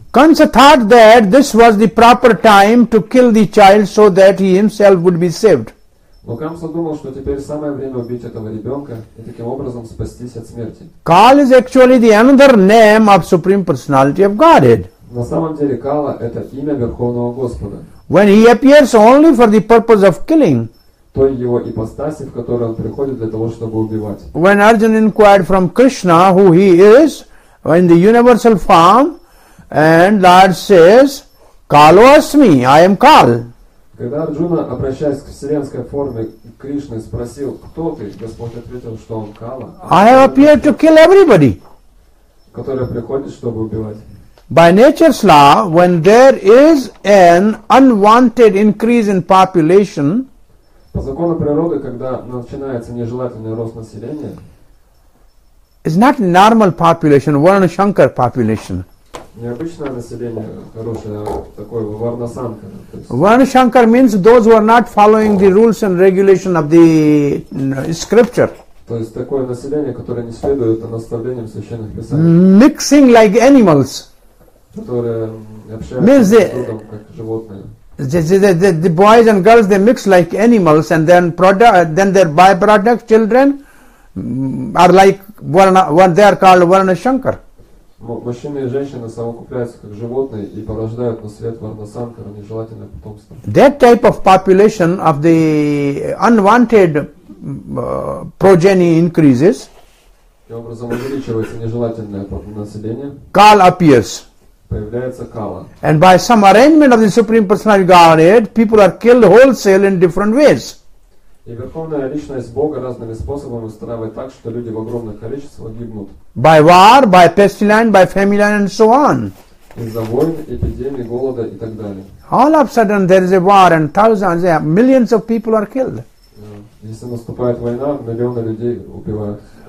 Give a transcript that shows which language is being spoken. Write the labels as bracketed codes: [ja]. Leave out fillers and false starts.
[en] Kamsa thought that this was the proper time to kill the child so that he himself would be saved. [ru] Но Камса думал, что теперь самое время убить этого ребенка и таким образом спастись от смерти. [en] Kal is actually the another name of Supreme Personality of Godhead. [ru] На самом деле Kala – это имя Верховного Господа. [en] When he appears only for the purpose of killing. [ru] Той его ипостаси, в которой он приходит для того, чтобы убивать. [en] When Arjuna inquired from Krishna who he is in the universal form, and Lord says, [sa] Kalo asmi, [en] I am Kal. [ru] Когда Арджуна, обращаясь к вселенской форме Кришны, спросил, кто ты, Господь ответил, что он Кала. [en] I have appeared to kill everybody. [ru] Который приходит, чтобы убивать. [en] By nature's law, when there is an unwanted increase in population, [ru] по закону природы, когда начинается нежелательный рост населения, [en] it's not normal population, Varnashankar population. [ru] Необычное население хорошее, а такое варнасанка. [en] Варнашанкар means those who are not following the rules and regulation of the scripture. [ru] То есть такое население, которое не следует наставлениям священных писаний. [en] Mixing like animals. [ru] Которые общаются с трудом, как животные. [en] The boys and girls, they mix like animals, and then their byproduct children are like varna, they are called Varnashankar. [ru] Мужчины и женщины совокупляются как животные и порождают на свет варнасанкара, нежелательное потомство. [en] That type of population of the unwanted progeny increases. [ru] Таким образом увеличивается нежелательное население. [en] Kal appears. [ru] Появляется Kala. [en] And by some arrangement of the Supreme Personality Godhead, people are killed wholesale in different ways. [ru] И Верховная Личность Бога разными способами устраивает так, что люди в огромных количествах гибнут. [en] By war, by pestilence, by famine and so on. [ru] Из-за войн, эпидемий, голода и так далее. [en] All of a sudden there is a war and thousands, millions of people are killed. [ru] Если наступает война, миллионы людей убивают.